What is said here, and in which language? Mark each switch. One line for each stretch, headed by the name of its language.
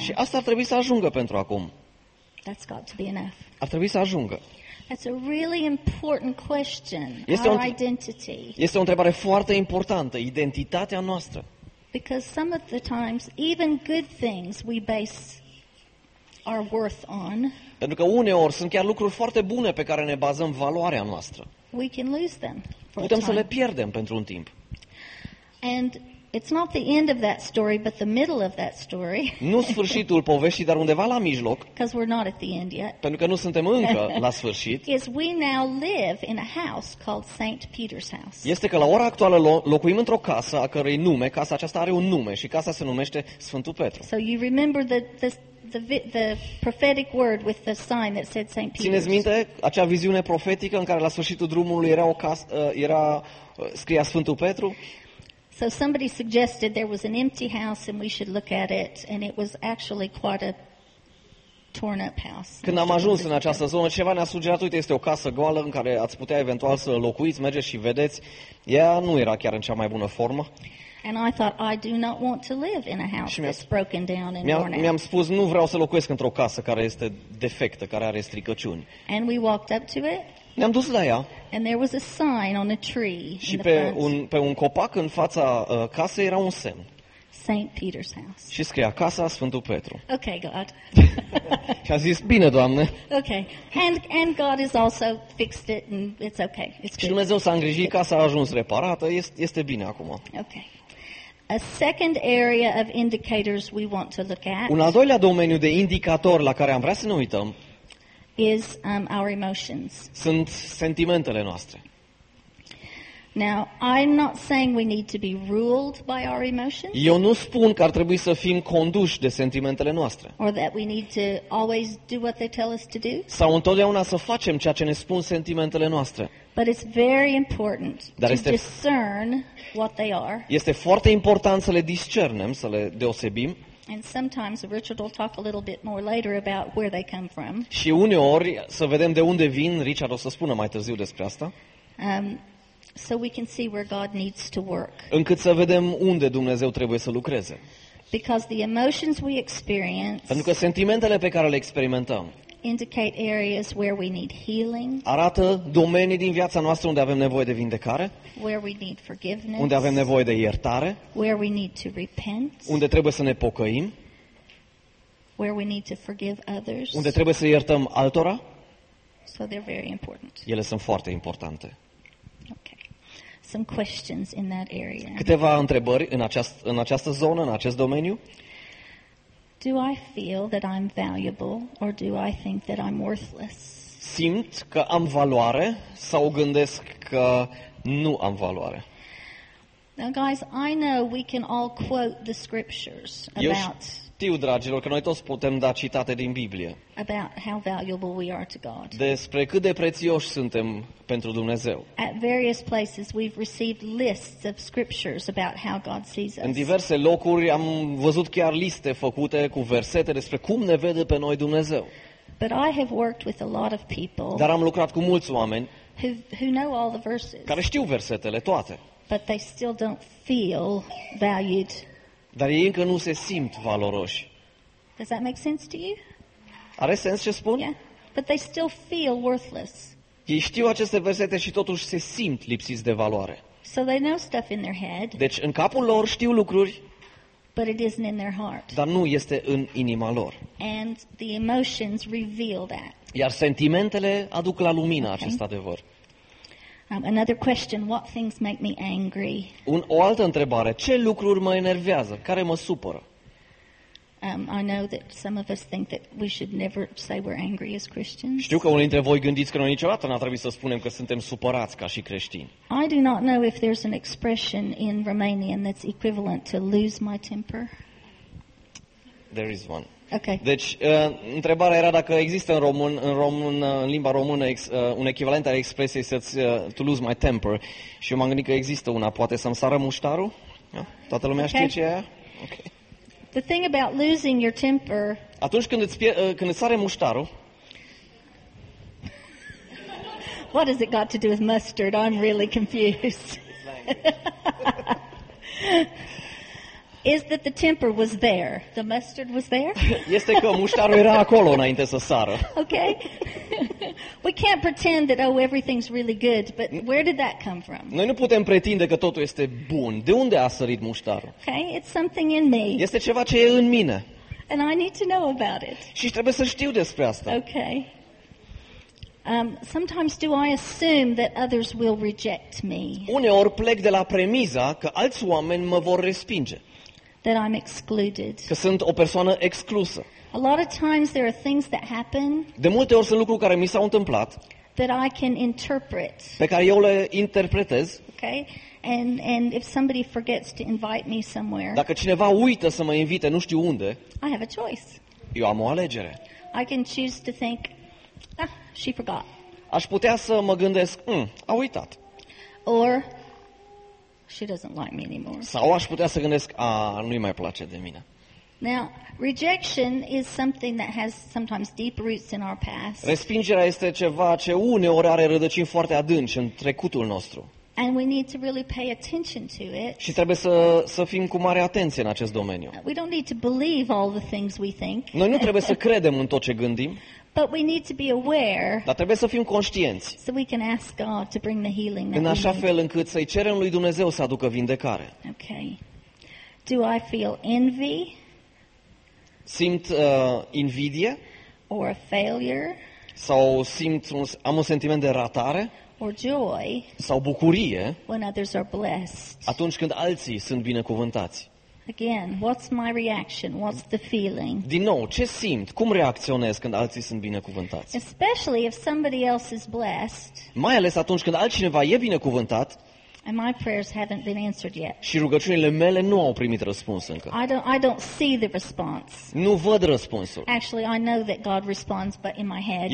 Romanian: Și asta ar trebui să ajungă pentru acum.
English: That's got to be enough.
Romanian: Ar trebui să ajungă.
English: That's a really important question. Our identity.
Romanian: Este o întrebare foarte importantă, identitatea noastră.
English: Because some of the times even good things we base are worth on.
Romanian: Pentru că uneori sunt chiar lucruri foarte bune pe care ne bazăm valoarea noastră.
English: We can lose them.
Romanian: Putem să le pierdem pentru un timp.
English: And It's not the end of that story, but the middle of that story.
Romanian: Nu sfârșitul poveștii, dar undeva la mijloc.
English: Because we're not at the end yet.
Romanian: Pentru că nu suntem încă la sfârșit.
English: Is we now live in a house called St. Peter's House.
Romanian: Este că la ora actuală locuim într-o casă a cărei nume, casa aceasta are un nume și casa se numește Sfântul Petru.
English: So you remember the prophetic word with the sign that said St. Peter's.
Romanian: Țineți minte acea viziune profetică în care la sfârșitul drumului era o casă, era scria Sfântul Petru?
English: So somebody suggested there was an empty house and we should look at it, and it was actually quite a torn up house.
Romanian: Când am ajuns în această zonă, ceva ne-a sugerat, uite, este o casă goală în care ați putea eventual să locuiți, mergeți și vedeți. Ea nu era chiar în cea mai bună formă.
English: And I thought, I do not want to live in a house that's broken down and worn out.
Romanian: Mi-am spus, nu vreau să locuiesc într-o casă care este defectă, care are stricăciuni.
English: And we walked up to it.
Romanian: Ne-am dus la ea.
English: And there was a sign on a tree.
Romanian: Și pe un copac în fața casei era un semn.
English: St. Peter's House.
Romanian: Și scria casa Sfântul Petru.
English: Okay, God.
Romanian: Și a zis, bine, Doamne.
English: Okay. And God has also fixed it and it's okay. It's good.
Romanian: Și Dumnezeu s-a îngrijit, casa a ajuns reparată, este bine acum.
English: Okay. A second area of indicators we want to look at.
Romanian: Un al doilea domeniu de indicator la care am vrea să ne uităm.
English: Is our emotions.
Romanian: Sunt sentimentele noastre.
English: Now, I'm not saying we need to be ruled by our emotions.
Romanian: Eu nu spun că ar trebui să fim conduși de sentimentele noastre.
English: Or that we need to always do what they tell us to do.
Romanian: Sau întotdeauna să facem ceea ce ne spun sentimentele noastre.
English: But it's very important to discern what they are.
Romanian: Este foarte important să le discernem, să le deosebim.
English: And sometimes Richard will talk a little bit more later about where they come from.
Romanian: Și uneori să vedem de unde vin, Richard o să spună mai târziu despre asta.
English: So we can see where God needs to work.
Romanian: Încât să vedem unde Dumnezeu trebuie să lucreze.
English: Because the emotions we experience.
Romanian: Pentru că sentimentele pe care le experimentăm.
English: Indicate areas where we need healing.
Romanian: Arată domenii din viața noastră unde avem nevoie de vindecare.
English: Where we need forgiveness.
Romanian: Unde avem nevoie de iertare.
English: Where we need to repent.
Romanian: Unde trebuie să ne pocăim.
English: Where we need to forgive others.
Romanian: Unde trebuie să iertăm altora.
English: So they're very important.
Romanian: Ele sunt foarte importante.
English: Okay. Some questions in that area.
Romanian: Câteva întrebări în această zonă, în acest domeniu.
English: Do I feel that I'm valuable or do I think that I'm worthless?
Romanian: Simt că am valoare sau gândesc că nu am valoare?
English: Now guys, I know we can all quote the scriptures about.
Romanian: Știu, dragilor, că noi toți putem da citate din Biblie.
English: About how valuable we are to God.
Romanian: Despre cât de prețioși suntem pentru Dumnezeu.
English: At various places we've received lists of scriptures about how God sees us.
Romanian: În diverse locuri am văzut chiar liste făcute cu versete despre cum ne vede pe noi Dumnezeu.
English: But I have worked with a lot of people.
Romanian: Dar am lucrat cu mulți oameni.
English: Who know all the verses.
Romanian: Care știu versetele toate.
English: But they still don't feel valued.
Romanian: Dar ei încă nu se simt valoroși.
English: Does that make sense to you?
Romanian: Are sens ce spun?
English: Yeah. But they still feel worthless.
Romanian: Ei știu aceste versete și totuși se simt lipsiți de valoare.
English: So they know stuff in their head.
Romanian: Deci în capul lor știu lucruri.
English: But it isn't in their heart.
Romanian: Dar nu este în inima lor.
English: And the emotions reveal that.
Romanian: Iar sentimentele aduc la lumină acest adevăr.
English: Another question, what things make me angry?
Romanian: O altă întrebare, ce lucruri mă enervează, care mă supără?
English: I know that some of us think that we should never say we're angry as Christians.
Romanian: Știu că unii dintre voi gândiți că noi niciodată n-ar trebui să spunem că suntem supărați ca și creștini.
English: I do not know if there's an expression in Romanian that's equivalent to lose my temper. There is one. Okay.
Romanian: Deci, întrebarea era dacă există în limba română un echivalent al expresiei
English: to lose my temper.
Romanian: Și eu m-am gândit că există una, poate să-mi sară muștarul?
English: Yeah?
Romanian: Toată lumea știe ce e aia?
English: Okay. The thing about losing your temper. Atunci când îți sare muștarul. What has it got to do with mustard? I'm really confused. Is that the temper was there? The mustard was there?
Romanian: Este că muștarul era acolo înainte să sară.
English: Okay. We can't pretend that oh everything's really good, but where did that come from?
Romanian: Noi nu putem pretinde că totul este bun. De unde a sărit muștarul?
English: Okay, it's something in me.
Romanian: Este ceva ce e în mine.
English: And I need to know about it.
Romanian: Și trebuie să știu despre asta.
English: Okay. Sometimes do I assume that others will reject me?
Romanian: Uneori plec de la premisa că alți oameni mă vor respinge.
English: That I'm excluded.
Romanian: Că sunt o persoană exclusă.
English: A lot of times there are things that happen.
Romanian: De multe ori sunt lucruri care mi s-au întâmplat.
English: That I can interpret.
Romanian: Pe care eu le interpretez.
English: Okay? And if somebody forgets to invite me somewhere.
Romanian: Dacă cineva uită să mă invite, nu știu unde.
English: I have a choice.
Romanian: Eu am o alegere.
English: I can choose to think, ah, she forgot.
Romanian: Aș putea să mă gândesc, a uitat.
English: Or she doesn't like me anymore.
Romanian: Sau aș putea să gândesc, nu-i mai place de mine.
English: Now, rejection is something that has sometimes deep roots in our past.
Romanian: Respingerea este ceva ce uneori are rădăcini foarte adânci în trecutul nostru.
English: And we need to really pay attention to it.
Romanian: Și trebuie să fim cu mare atenție în acest domeniu.
English: We don't need to believe all the things we think.
Romanian: Noi nu trebuie să credem în tot ce gândim.
English: But we need to be aware.
Romanian: Dar trebuie să fim conștienți.
English: So we can ask God to bring the healing.
Romanian: În așa fel încât să-i cerem lui Dumnezeu să aducă vindecare.
English: Okay. Do I feel envy?
Romanian: Simt invidie?
English: Or a failure?
Romanian: Sau simt am un sentiment de ratare?
English: Or joy?
Romanian: Sau bucurie?
English: When others are blessed.
Romanian: Atunci când alții sunt binecuvântați.
English: Again, what's my reaction? What's the feeling?
Romanian: Din nou, ce simt? Cum reacționez când alții sunt binecuvântați?
English: Especially if somebody else is blessed.
Romanian: Mai ales atunci când altcineva e binecuvântat.
English: And my prayers haven't been answered yet.
Romanian: Și rugăciunile mele nu au primit răspuns încă.
English: I don't see the response.
Romanian: Nu văd răspunsul.
English: Actually, I know that God responds, but in my head.